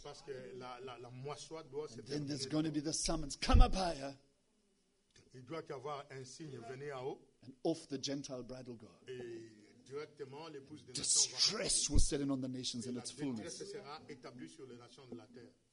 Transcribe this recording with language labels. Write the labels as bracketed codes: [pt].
[en] And then there's going to be the summons. Come up higher. [fr] Il doit y avoir un signe, venez à haut. [en] And off the Gentile bride will go. [fr] Et directement, l'épouse des [en] distress will set in on the nations in its fullness. [fr] Sera établi sur les nations de la terre.